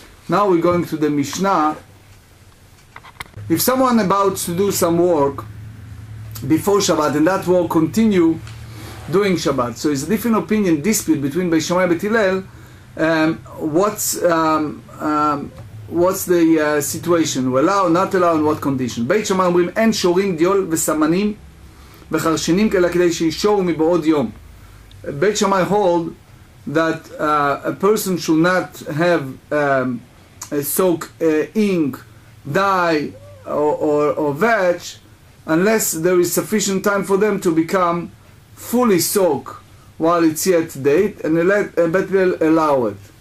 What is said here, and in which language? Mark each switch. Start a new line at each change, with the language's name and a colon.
English: Now we're going to the Mishnah. If someone about to do some work before Shabbat, and that work continue during Shabbat, so it's a different opinion, dispute between Beit Shammai and Beit Hillel, what's the situation? We allow, not allow, in what condition?
Hebrew: Beit Shammai אומרים, אין שורים דיול וסמנים וחרשינים כאלה כדי שישור מבעוד יום.
English: Beit Shammai hold that a person should not have soak ink, dye, or vetch, unless there is sufficient time for them to become fully soaked while it's yet day, and Beit Hillel allow it.